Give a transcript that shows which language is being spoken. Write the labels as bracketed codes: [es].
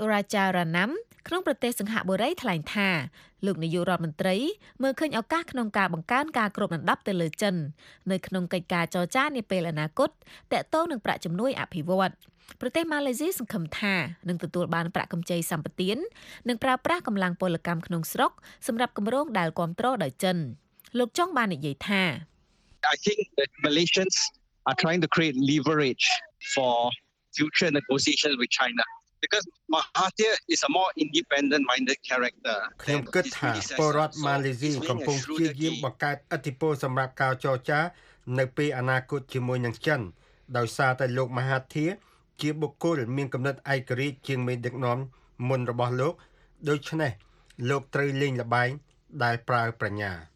[km] Rajaratnam ក្នុងប្រទេសសិង្ហបុរីថ្លែងថាលោកនាយករដ្ឋមន្ត្រីមើលឃើញឱកាសក្នុងការបង្កើនការគ្រប់ដណ្ដប់ទៅលើចិននៅក្នុងកិច្ចការចរចានាពេលអនាគតតាក់ទងនឹងប្រាក់ជំនួយអភិវឌ្ឍប្រទេសម៉ាឡេស៊ីសង្ឃឹមថានឹងទទួលបានប្រាក់កម្ចីសម្បទាននិងប្រើប្រាស់កម្លាំងពលកម្មក្នុងស្រុកសម្រាប់គម្រោងដែលគាំទ្រដោយចិនលោកចុងបាននិយាយថា [en] I think that Malaysians are trying to create leverage for future negotiations with China because Mahathir is a more independent minded character [km] ខ្ញុំគិតថាពលរដ្ឋម៉ាឡេស៊ីកំពុងព្យាយាមបង្កើតឥទ្ធិពលសម្រាប់ការចរចានៅពេលអនាគតជាមួយនឹងចិនដោយសារតែលោកមហាធីជាបុគ្គលមានកំណត់ឯករាជ្យជាងមេដឹកនាំមុនរបស់លោកដូច្នេះលោកត្រូវលេងល្បែងដែលប្រើប្រញ្ញា